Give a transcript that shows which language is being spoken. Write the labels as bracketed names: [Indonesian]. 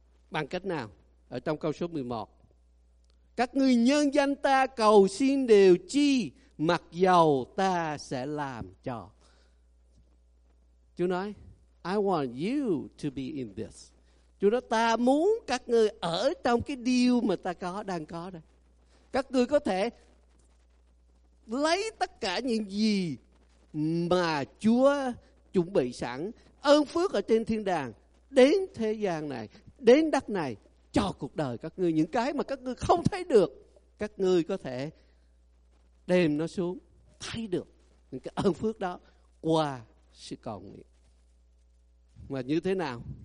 [Vietnamese] Bằng cách nào? Ở trong câu số 11. Các ngươi nhân danh ta cầu xin điều chi, mặc dầu ta sẽ làm cho. Chúa nói, [English] I want you to be in this. [Vietnamese] Chúa nói, ta muốn các ngươi ở trong cái điều mà ta có, đang có đây. Các ngươi có thể lấy tất cả những gì mà Chúa chuẩn bị sẵn, ơn phước ở trên thiên đàng, đến thế gian này, đến đất này, cho cuộc đời các ngươi, những cái mà các ngươi không thấy được, các ngươi có thể đem nó xuống, thấy được những cái ơn phước đó qua sự cầu nguyện. Mà như thế nào?